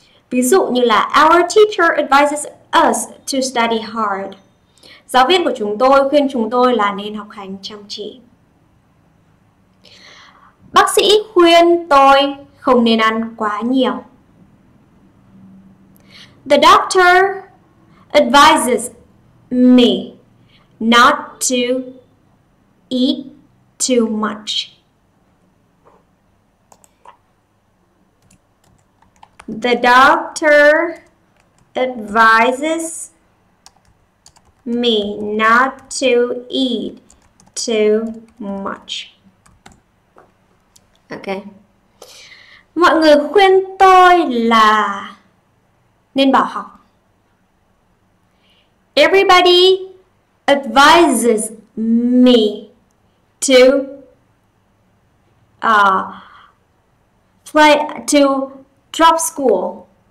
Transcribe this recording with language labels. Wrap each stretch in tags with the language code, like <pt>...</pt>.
<vi>Ví dụ như là</vi> <en>our teacher advises us to study hard.</en> <vi>Giáo viên của chúng tôi khuyên chúng tôi là nên học hành chăm chỉ. Bác sĩ khuyên tôi không nên ăn quá nhiều.</vi> <en>The doctor advises me not to eat too much. The doctor advises me not to eat too much. Okay.</en> <vi>Mọi người khuyên tôi là nên bỏ học.</vi> <en>Everybody advises me to drop school.</en>